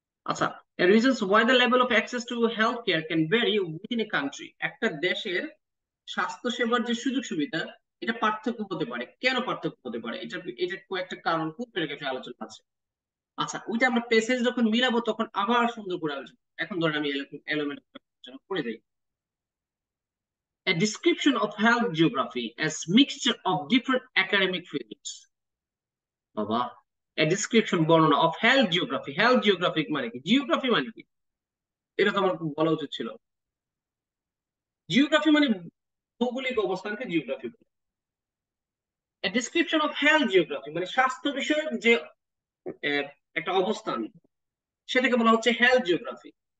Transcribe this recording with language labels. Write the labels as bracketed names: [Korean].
[Bangla] আচ্ছা, [English] reasons why the level of access to health care can vary within a country, [Bangla] একটা দেশের স্বাস্থ্য সেবার যে সুযোগ সুবিধা এটা পার্থক্য হতে পারে, কেন পার্থক্য হতে পারে, এটা এটা কয়েকটা কারণ খুব আলোচনা আছে। আচ্ছা, ওইটা আমরা প্যাসেজ যখন মিলাবো তখন আবার সুন্দর করে আলোচনা। এখন ধরেন আমি এলোমেলো করে দিই। [English] A description of health geography as mixture of different academic fields. [Bangla] বাবা, a description বর্ণনা [English] of health geography, [Bangla] health geographic মানে কি, geography মানে কি, এটা তো আমার বলা উচিত ছিল। geography মানে ভৌগোলিক অবস্থানকে geography বলে। [English] A description of health geography [Bangla] মানে স্বাস্থ্য বিষয়ক যে একটা অবস্থান সেটাকে বলা হচ্ছে health geography।